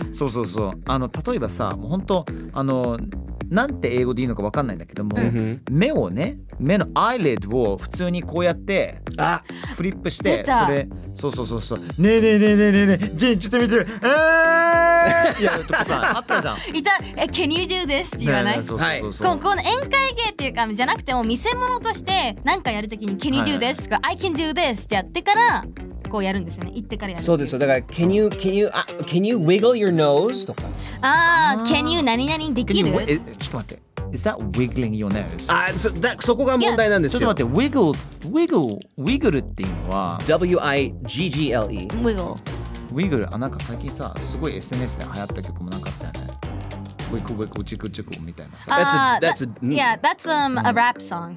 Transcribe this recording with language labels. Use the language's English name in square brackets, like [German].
[Japanese] そうそうそう、あの例えばさ、もう本当あのなんて英語でいいのか分かんないんだけども、うん、目をね、目のアイレッドを普通にこうやってフリップして、それ、そうそうそうそう、ねえねえねえねえねえ、ジェンちょっと見てる、えーやるとこさあったじゃんいた、 [English] Can you do this? [Japanese] って言わない、ね、えねえ、そうそうそう、はい、この宴会芸っていうかじゃなくても、見せ物としてなんかやるときに [English] Can you do this? [Japanese] とか、はい、 [English] I can do this? [Japanese] ってやってからこうやるんですよね、行ってからやる。そうです、だから [English] Can you, can you, can you wiggle your nose? [Japanese] とか、あ、Can you 何々できる、ちょっと待って、 [English] Is that wiggling your nose? [Japanese] あ、そこが問題なんですよ。ちょっと待って、wiggle っていうのは [English] W-I-G-G-L-E wiggle [Japanese] あ、なんか最近さ、すごい SNS で流行った曲もなかったよね、ウィクウィクチクチクみたいなさ、 [English] That's a, yeah, that's a rap song、